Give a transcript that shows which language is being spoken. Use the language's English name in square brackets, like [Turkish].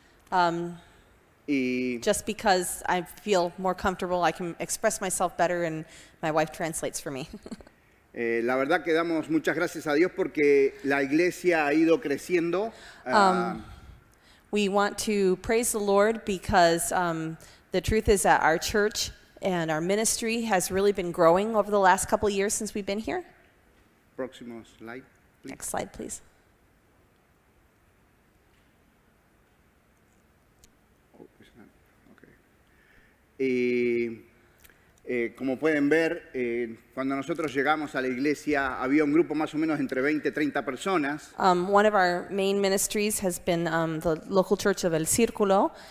[English] Just because I feel more comfortable, I can express myself better, and my wife translates for me. [Spanish] La verdad que damos muchas gracias a Dios porque la iglesia ha ido creciendo. [English] We want to praise the Lord because the truth is that our church and our ministry has really been growing over the last couple of years since we've been here. [Spanish] Próximo [English] slide, please. Next slide, please. Oh, it's not. Okay. [Spanish] Como pueden ver, cuando nosotros llegamos a la iglesia, había un grupo más o menos entre 20 y 30 personas. [English] One of our main ministries has been the local church of El Círculo.